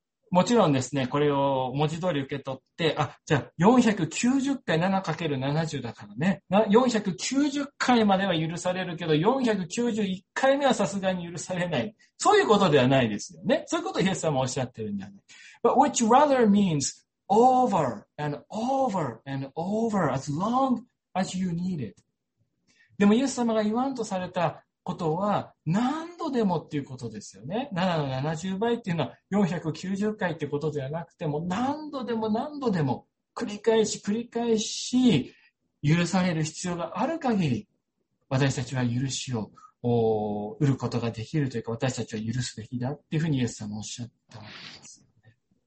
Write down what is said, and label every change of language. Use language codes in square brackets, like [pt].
[ja] もちろんですね、これを文字通り受け取って、あ、じゃあ490回 7×70 だからね。 490回までは許されるけど、491回目はさすがに許されない。そういうことではないですよね。そういうことをイエス様おっしゃってるんじゃない。 [en] But which rather means over and over and over as long as you need it. [ja] でもイエス様が言わんとされたことは何度でもっていうことですよね。 7の70倍っていうのは490回ってことではなくても何度でも何度でも繰り返し繰り返し許される必要がある限り私たちは許しを得ることができるというか私たちは許すべきだっていうふうにイエス様はおっしゃったわけですよね。